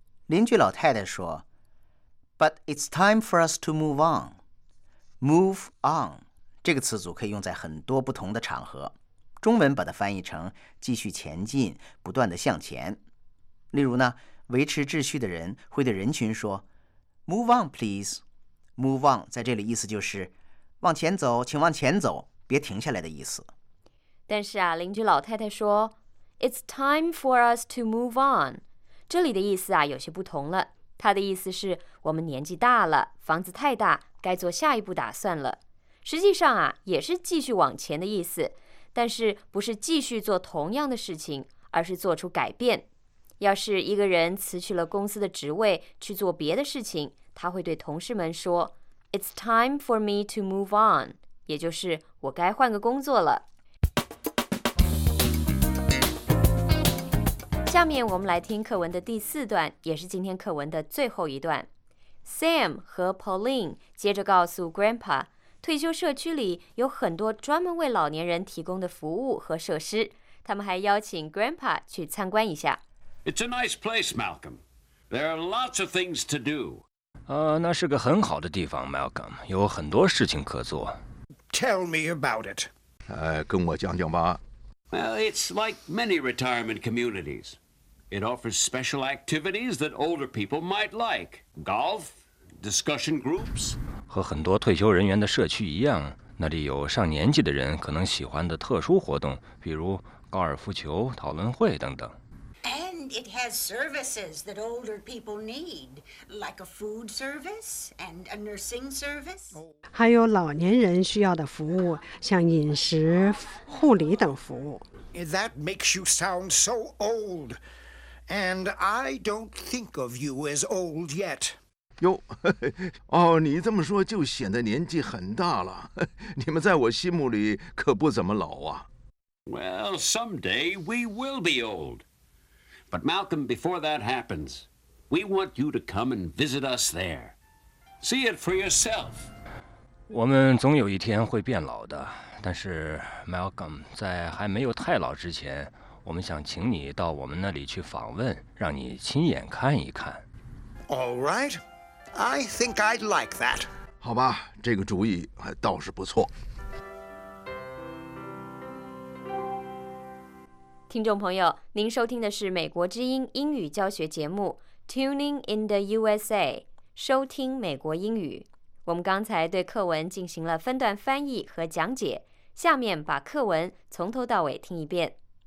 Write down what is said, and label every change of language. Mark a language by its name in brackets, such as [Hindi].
[Chinese] 邻居老太太说 [English] But it's time for us to move on. Move on. [Chinese] 这个词组可以用在很多不同的场合。中文把它翻译成继续前进，不断地向前。例如呢，维持秩序的人会对人群说 [English] Move on, please. [Chinese] Move on 在这里意思就是往前走，请往前走，别停下来的意思。但是啊，邻居老太太说 [English] It's time for us to move on. [Chinese] 这里的意思啊，有些不同了。它的意思是我们年纪大了，房子太大，该做下一步打算了。实际上啊，也是继续往前的意思，但是不是继续做同样的事情，而是做出改变。要是一个人辞去了公司的职位去做别的事情，他会对同事们说 [English] It's time for me to move on. [Chinese] 也就是我该换个工作了。下面我们来听课文的第四段，也是今天课文的最后一段。 Sam 和 Pauline 接着告诉 Grandpa， 退休社区里有很多专门为老年人提供的服务和设施，他们还邀请 Grandpa 去参观一下。 [English] It's a nice place, Malcolm. There are lots of things to do. [Chinese] 那是个很好的地方 ，Malcolm， 有很多事情可做。 [English] Tell me about it. [Chinese] 跟我讲讲吧。 [English] Well, it's like many retirement communities. It offers special activities that older people might like. Golf, discussion groups. [Chinese] 和很多退休人员的社区一样，那里有上年纪的人可能喜欢的特殊活动，比如高尔夫球、讨论会等等。 [English] And it has services that older people need, like a food service and a nursing service. [Chinese] 还有老年人需要的服务，像饮食、护理等服务。 [English] That makes you sound so old, and I don't think of you as old yet. [Chinese] 你这么说就显得年纪很大了。你们在我心目里可不怎么老啊。 [English] Well, someday we will be old. But Malcolm, before that happens, we want you to come and visit us there. See it for yourself. [Chinese] 我们总有一天会变老的，但是 Malcolm, 在还没有太老之前，我们想请你到我们那里去访问，让你亲眼看一看。 [English] All right, I think I'd like that. [Chinese] 好吧，这个主意倒是不错。听众朋友，您收听的是美国之音英语教学节目 Tuning in the USA，收听美国英语。我们刚才对课文进行了分段翻译和讲解，下面把课文从头到尾听一遍。